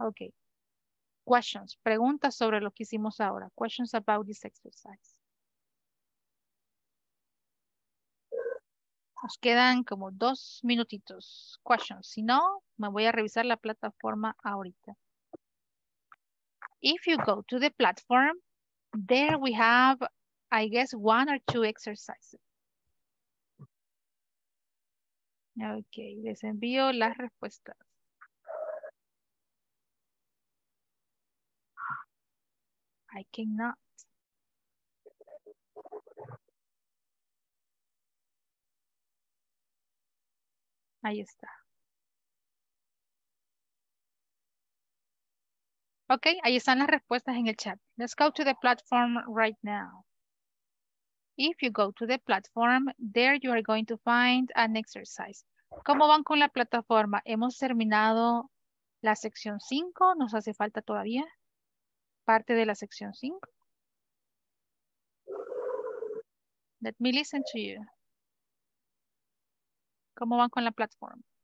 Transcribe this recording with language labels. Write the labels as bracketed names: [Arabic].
[English] Ok. Questions. [Spanish] Preguntas sobre lo que hicimos ahora. [English] Questions about this exercise. [Spanish] Nos quedan como 2 minutitos. [English] Questions. [Spanish] Si no, me voy a revisar la plataforma ahorita. [English] If you go to the platform, there we have, I guess, 1 or 2 exercises. [Spanish] Ok, les envío las respuestas. [English] I cannot. [Spanish] Ahí está. Ok, ahí están las respuestas en el chat. [English] Let's go to the platform right now. If you go to the platform, there you are going to find an exercise. [Spanish] ¿Cómo van con la plataforma? ¿Hemos terminado la sección 5? ¿Nos hace falta todavía parte de la sección 5? [English] Let me listen to you. [Spanish] ¿Cómo van con la plataforma?